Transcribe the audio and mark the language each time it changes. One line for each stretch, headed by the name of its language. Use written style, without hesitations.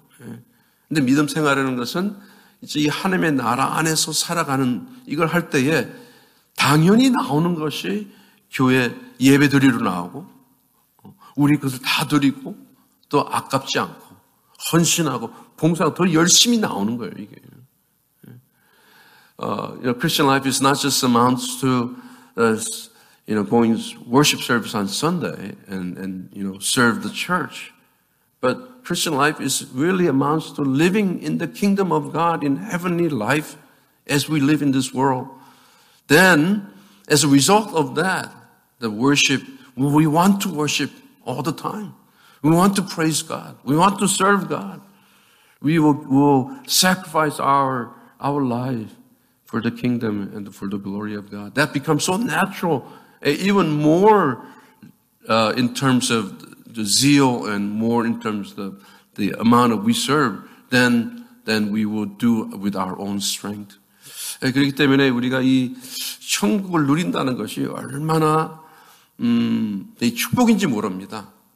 Korean: 그런데 믿음 생활이라는 것은 이제 이 하나님의 나라 안에서 살아가는 이걸 할 때에 당연히 나오는 것이 교회 예배 드리러 나오고 우리 그것을 다 드리고 또 아깝지 않고 헌신하고 봉사하고 더 열심히 나오는 거예요, 이게.
English: You know, Christian life is not just amounts to, you know, going to worship service on Sunday and, you know, serve the church. But Christian life is really amounts to living in the kingdom of God in heavenly life as we live in this world. Then, as a result of that, the worship, we want to worship all the time. We want to praise God. We want to serve God. We will sacrifice our life for the kingdom and for the glory of God. That becomes so natural, even more in terms of the zeal and more in terms of the amount of we serve than we would do with our own strength.
Korean: 그렇기 때문에 우리가 이 천국을 누린다는 것이 얼마나 이 축복인지 모릅니다.